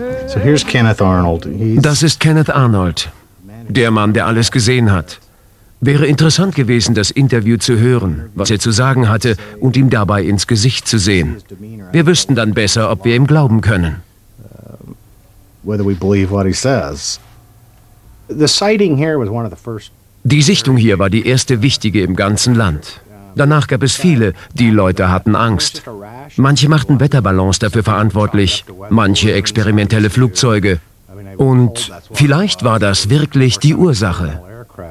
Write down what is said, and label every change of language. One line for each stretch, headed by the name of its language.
German: Das ist Kenneth Arnold, der Mann, der alles gesehen hat. Wäre interessant gewesen, das Interview zu hören, was er zu sagen hatte, und ihm dabei ins Gesicht zu sehen. Wir wüssten dann besser, ob wir ihm glauben können.
English: Whether we believe what he says. The sighting here was one of the first.
German: Die Sichtung hier war die erste wichtige im ganzen Land. Danach gab es viele, die Leute hatten Angst. Manche machten Wetterballons dafür verantwortlich, manche experimentelle Flugzeuge. Und vielleicht war das wirklich die Ursache.